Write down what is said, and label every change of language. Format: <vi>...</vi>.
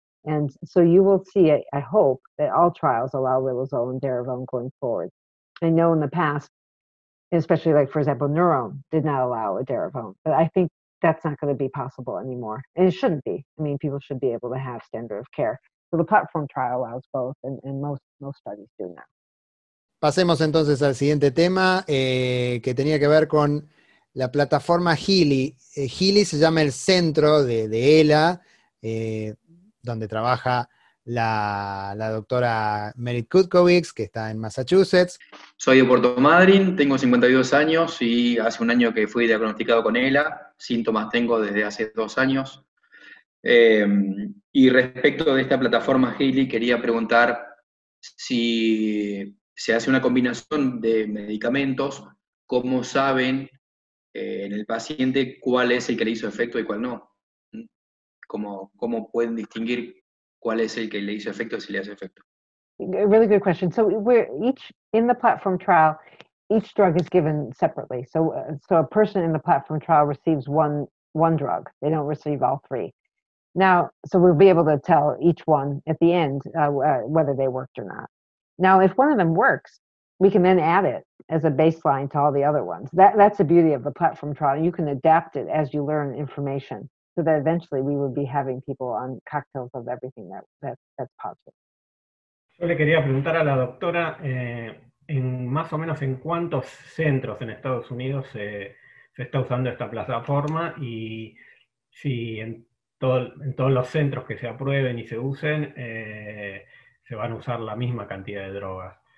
<en>And so you will see, I hope, that all trials allow Riluzol and Edaravone going forward. I know in the past, especially like, for example, Neurone did not allow Edaravone. But I think that's not going to be possible anymore. And it shouldn't be. I mean, people should be able to have standard of care. So the platform trial allows both, and most studies do now.</en> <es>Pasemos entonces al siguiente tema, que tenía que ver con la plataforma Healy. Healy se llama el centro de ELA, donde trabaja la doctora Merit Kutkowicz, que está en Massachusetts. Soy de Puerto Madryn, tengo 52 años y hace un año que fui diagnosticado con ELA, síntomas tengo desde hace 2 años. Y respecto de esta plataforma Healy, quería preguntar si se hace una combinación de medicamentos, ¿cómo saben en el paciente cuál es el que le hizo efecto y cuál no? ¿Cómo pueden distinguir cuál es el que le hizo efecto y si le hace efecto?</es> <en>A really good question. So in the platform trial, each drug is given separately. So a person in the platform trial receives one drug. They don't receive all three. Now, so we'll be able to tell each one at the end whether they worked or not. Now, if one of them works, we can then add it as a baseline to all the other ones. That's the beauty of the platform trial. You can adapt it as you learn information, so that eventually we would be having people on cocktails of everything that's positive.</en> <es>Yo le quería preguntar a la doctora en más o menos en cuántos centros en Estados Unidos se está usando esta plataforma y si en todos los centros que se aprueben y se usen, se van a usar la misma cantidad de drogas.</es>